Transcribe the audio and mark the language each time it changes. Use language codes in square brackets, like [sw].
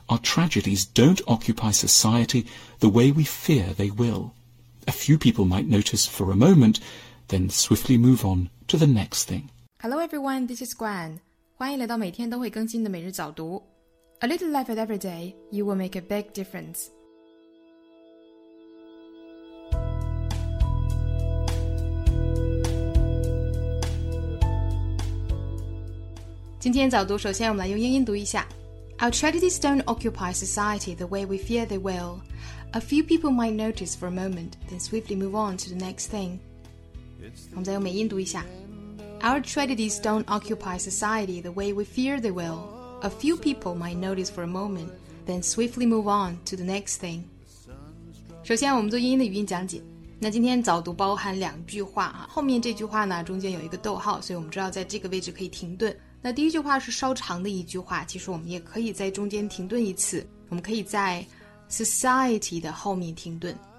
[en] Our tragedies don't occupy society the way we fear they will. A few people might notice for a moment, then swiftly move on to the next thing. Hello everyone, this is Gwen. [zh] 欢迎来到每天都会更新的每日早读。 [en] A little effort every day, you will make a big difference. Our tragedies don't occupy society the way we fear they will. A few people might notice for a moment, then swiftly move on to the next thing. [zh] 我们再用美音读一下。 [en] Our tragedies don't occupy society the way we fear they will. A few people might notice for a moment, then swiftly move on to the next thing. [zh] 首先我们做英音的语音讲解。那今天早读包含两句话啊，后面这句话呢中间有一个逗号，所以我们知道在这个位置可以停顿。那第一句话是稍长的一句话，其实我们也可以在中间停顿一次，我们可以在 society 的后面停顿。